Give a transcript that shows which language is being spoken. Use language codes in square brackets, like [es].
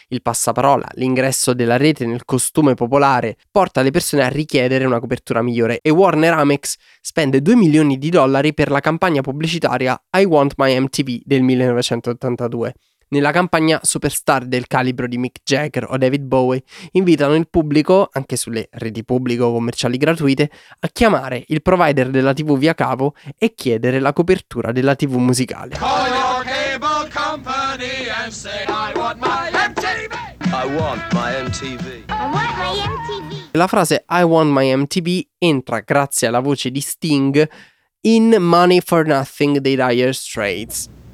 [it] Il passaparola, l'ingresso della rete nel costume popolare porta le persone a richiedere una copertura migliore, e Warner Amex spende 2 milioni di dollari per la campagna pubblicitaria I Want My MTV del 1982. Nella campagna, superstar del calibro di Mick Jagger o David Bowie invitano il pubblico, anche sulle reti pubbliche o commerciali gratuite, a chiamare il provider della TV via cavo e chiedere la copertura della TV musicale. [en] Call your cable company and say I want my MTV. I want my MTV. [it] La frase I want my MTV entra, grazie alla voce di Sting, in Money for Nothing dei Dire Straits.